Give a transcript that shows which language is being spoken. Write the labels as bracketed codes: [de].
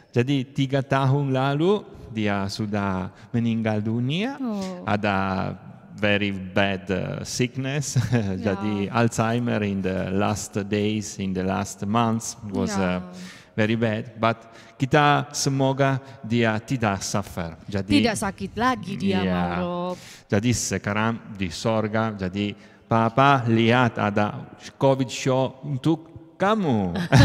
[id] Jadi 3 tahun lalu dia sudah meninggal dunia. Oh. Ada [en] very bad sickness. [id] Jadi [en] Alzheimer in the last days, in the last months was very bad, but [id] kita semoga dia tidak [en] suffer. [id] Jadi tidak sakit lagi dia, Mauro. Jadi sekarang di sorga. Jadi Papa lihat ada COVID show untuk kamu.